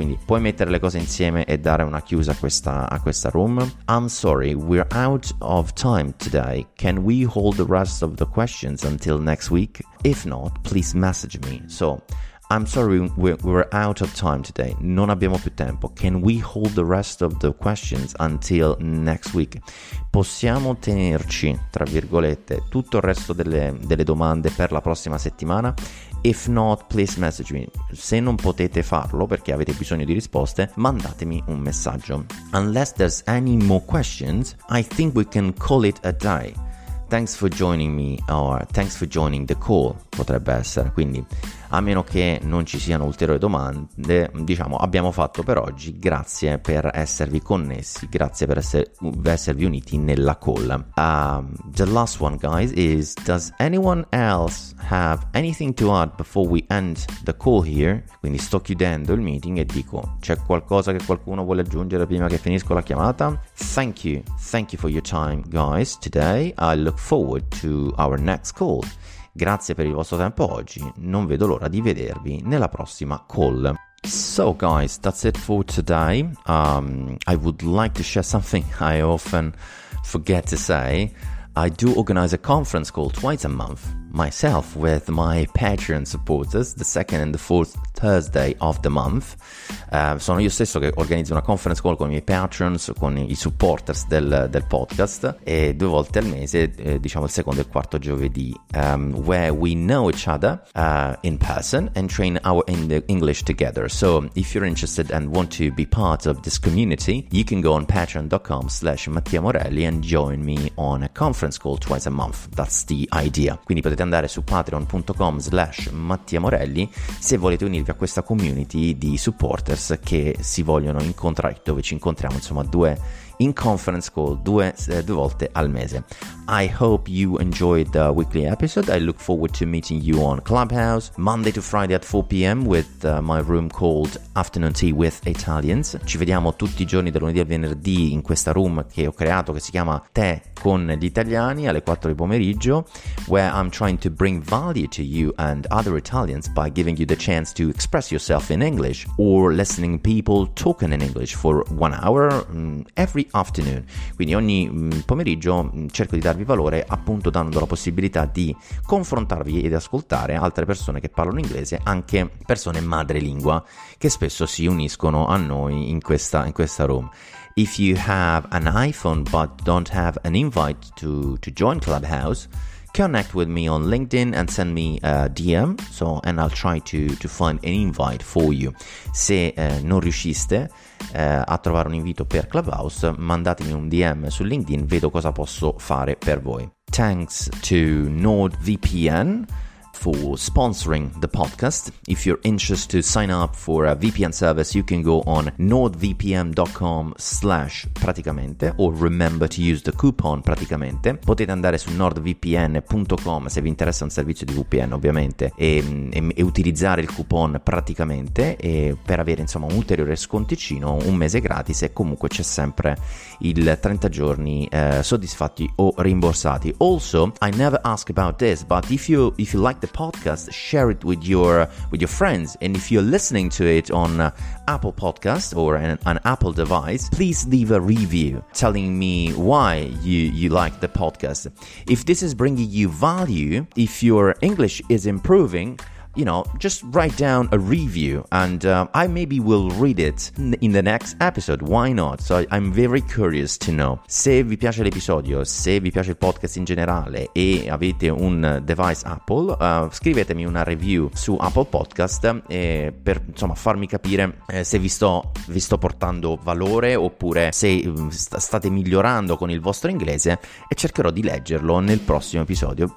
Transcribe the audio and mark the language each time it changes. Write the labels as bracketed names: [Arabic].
[Italian] Quindi puoi mettere le cose insieme e dare una chiusa a questa room. [English] I'm sorry, we're out of time today. Can we hold the rest of the questions until next week? If not, please message me. So, I'm sorry, we're out of time today. [Italian] Non abbiamo più tempo. [English] Can we hold the rest of the questions until next week? [Italian] Possiamo tenerci, tra virgolette, tutto il resto delle domande per la prossima settimana? [English] If not, please message me. [Italian] Se non potete farlo perché avete bisogno di risposte, mandatemi un messaggio. [English] Unless there's any more questions, I think we can call it a day. Thanks for joining me, or thanks for joining the call, [Italian] potrebbe essere. Quindi, a meno che non ci siano ulteriori domande, diciamo, abbiamo fatto per oggi, grazie per esservi connessi, grazie per esservi uniti nella call. [English] The last one, guys, is: does anyone else have anything to add before we end the call here? [Italian] Quindi sto chiudendo il meeting e dico: c'è qualcosa che qualcuno vuole aggiungere prima che finisco la chiamata? [English] Thank you for your time, guys, today. I look forward to our next call. [Italian] Grazie per il vostro tempo oggi, non vedo l'ora di vedervi nella prossima call. [English] So guys, that's it for today. I would like to share something I often forget to say. I do organize a conference call twice a month, myself, with my Patreon supporters, the second and the fourth Thursday of the month. [Italian] Sono io stesso che organizzo una conference call con i miei patrons, con i supporters del podcast, e due volte al mese, diciamo il secondo e il quarto giovedì, [English] where we know each other in person and train our English together. So if you're interested and want to be part of this community, you can go on patreon.com/Mattia Morelli and join me on a conference call twice a month. That's the idea. [Italian] Quindi potete andare su patreon.com/Mattia Morelli se volete unirvi a questa community di supporters che si vogliono incontrare, dove ci incontriamo, insomma, due in conference call due volte al mese. [English] I hope you enjoyed the weekly episode. I look forward to meeting you on Clubhouse Monday to Friday at 4 p.m. with my room called Afternoon Tea with Italians. [Italian] Ci vediamo tutti i giorni, da lunedì al venerdì, in questa room che ho creato, che si chiama Tè con gli Italiani, alle 4 di pomeriggio, [English] where I'm trying to bring value to you and other Italians by giving you the chance to express yourself in English or listening people talking in English for 1 hour every afternoon. [Italian] Quindi ogni pomeriggio cerco di darvi valore, appunto dando la possibilità di confrontarvi ed ascoltare altre persone che parlano inglese, anche persone madrelingua che spesso si uniscono a noi in questa room. [English] If you have an iPhone but don't have an invite to join Clubhouse, connect with me on LinkedIn and send me a DM, so, and I'll try to find an invite for you. [Italian] Se non riusciste a trovare un invito per Clubhouse, mandatemi un DM su LinkedIn, vedo cosa posso fare per voi. [English] Thanks to NordVPN for sponsoring the podcast. If you're anxious to sign up for a VPN service, you can go on nordvpn.com/praticamente or remember to use the coupon praticamente. [Italian] Potete andare su nordvpn.com se vi interessa un servizio di VPN, ovviamente, e utilizzare il coupon praticamente e per avere insomma un ulteriore sconticino, un mese gratis, e comunque c'è sempre il 30 giorni soddisfatti o rimborsati. [English] Also, I never ask about this, but if you like the podcast, share it with your friends, and if you're listening to it on Apple Podcast or an Apple device, please leave a review telling me why you like the podcast. If this is bringing you value, if your English is improving, you know, just write down a review and I maybe will read it in the next episode. Why not? So I'm very curious to know. [Italian] Se vi piace l'episodio, se vi piace il podcast in generale e avete un device Apple, scrivetemi una review su Apple Podcast per insomma farmi capire se vi sto portando valore oppure se state migliorando con il vostro inglese, e cercherò di leggerlo nel prossimo episodio.